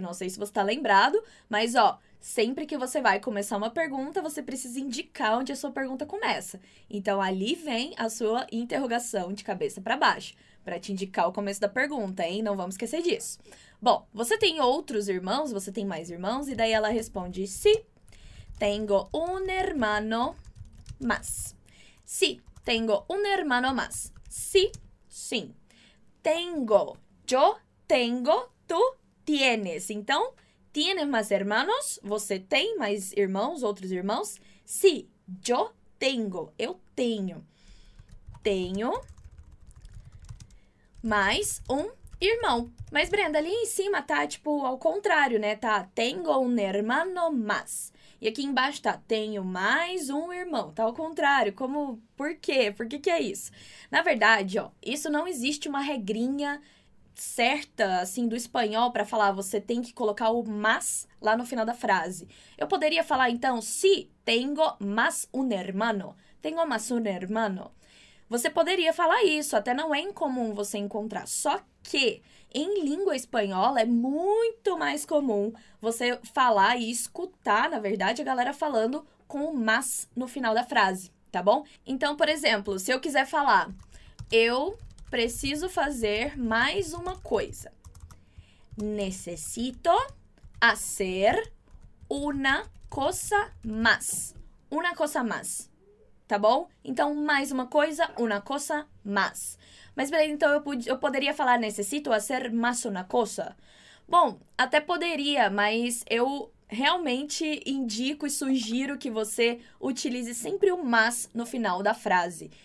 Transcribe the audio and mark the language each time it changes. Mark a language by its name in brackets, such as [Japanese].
[Portuguese] Não sei se você tá lembrado, mas, ó, sempre que você vai começar uma pergunta, você precisa indicar onde a sua pergunta começa. Então, ali vem a sua interrogação de cabeça para baixo, para te indicar o começo da pergunta, hein? Não vamos esquecer disso. Bom, você tem outros irmãos? Você tem mais irmãos? E daí ela responde, [Spanish] sí, tengo un hermano más. Sí, tengo un hermano más. Sí, sim. Tengo, yo tengo, tú tienes. Então, tienes más hermanos? [Portuguese] Você tem mais irmãos, outros irmãos? [Spanish] Sí, yo tengo, [Portuguese] eu tenho. Tenho mais um irmão. Mas, Brenda, ali em cima tá, tipo, ao contrário, né? Tá, [Spanish] tengo un hermano más. [Portuguese] E aqui embaixo tá, tenho mais um irmão. Tá ao contrário, como, por quê? Por que que é isso? Na verdade, ó, isso não existe uma regrinha certa, assim, do espanhol pra falar você tem que colocar o más lá no final da frase. Eu poderia falar, então, [Spanish] si tengo más un hermano. Tengo más un hermano. [Portuguese] Você poderia falar isso, até não é incomum você encontrar. Só que, em língua espanhola, é muito mais comum você falar e escutar, na verdade, a galera falando com o más no final da frase, tá bom? Então, por exemplo, se eu quiser falar, eu preciso fazer mais uma coisa. [Spanish] Necesito hacer una cosa más. Una cosa más. Tá bom? [Portuguese] Então, mais uma coisa, [Spanish] una cosa más. [Portuguese] Mas, beleza, então eu poderia falar [Spanish] necesito hacer más una cosa? [Portuguese] Bom, até poderia, mas eu realmente indico e sugiro que você utilize sempre o más no final da frase.